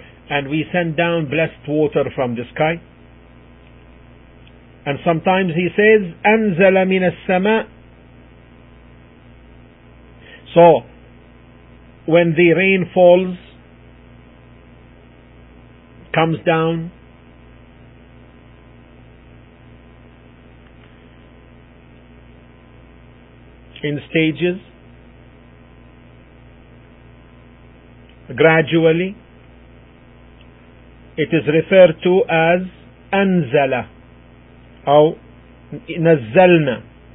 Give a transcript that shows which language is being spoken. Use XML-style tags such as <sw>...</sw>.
<en>And we send down blessed water from the sky. And sometimes he says,</en> <ar>أنزل من السماء.</ar> <en>So, when the rain falls, comes down, in stages, gradually, it is referred to as anzala or nazzalna.</en>